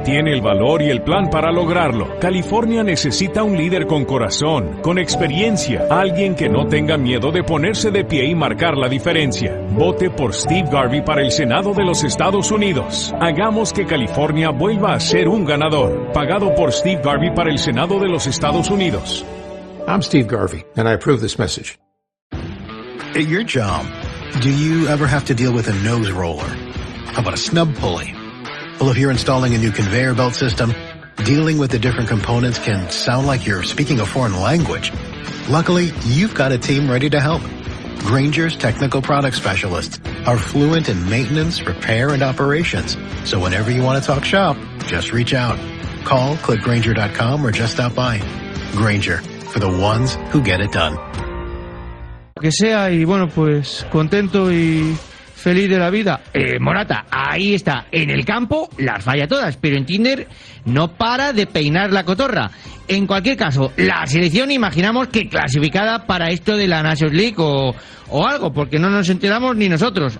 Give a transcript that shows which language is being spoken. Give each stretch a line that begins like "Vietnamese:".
Spanish: Tiene el valor y el plan para lograrlo. California necesita un líder con corazón, con experiencia, alguien que no tenga miedo de ponerse de pie y marcar la diferencia. Vote por Steve Garvey para el Senado de los Estados Unidos. Hagamos que California vuelva a ser un ganador. Pagado por Steve Garvey para el Senado de los Estados Unidos.
English: I'm Steve Garvey, and I approve this message. At your job, do you ever have to deal with a nose roller? How about a snub pulley? Well, if you're installing a new conveyor belt system, dealing with the different components can sound like you're speaking a foreign language. Luckily, you've got a team ready to help. Grainger's technical product specialists are fluent in maintenance, repair, and operations. So whenever you want to talk shop, just reach out. Call, click Grainger.com, or just stop by. Grainger, for the ones who get it done.
Spanish: Que sea, y bueno, pues contento y feliz de la vida. Morata, ahí está, en el campo las falla todas, pero en Tinder no para de peinar la cotorra. En cualquier caso, la selección imaginamos que clasificada para esto de la Nations League o algo, porque no nos enteramos ni nosotros.